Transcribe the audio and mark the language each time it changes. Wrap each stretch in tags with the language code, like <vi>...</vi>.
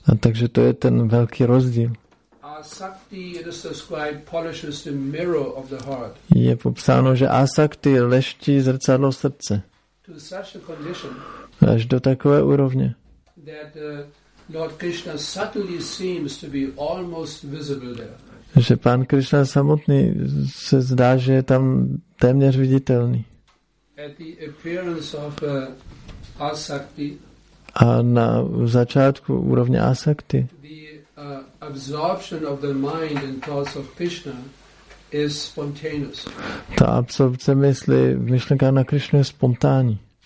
<cs>A takže to je ten velký rozdíl.</cs> <en>Asakti, it is described, polishes the mirror of the heart.</en> <cs>Je popsáno, že asakti leští zrcadlo srdce.</cs> <en>To such a condition,</en> <cs>až do takové úrovně,</cs> <en>that Lord Krishna subtly seems to be almost visible there.</en> <cs>Že Pán Krishna samotný se zdá, že je tam téměř viditelný.</cs> <en>At the appearance of asakti,</en> <cs>a na začátku úrovně asakti,</cs> <en>absorption of the mind and thoughts of Krishna is spontaneous.</en> <cs>Ta absorpce mysli v myšlenkách na Krishnu je spontánní.</cs>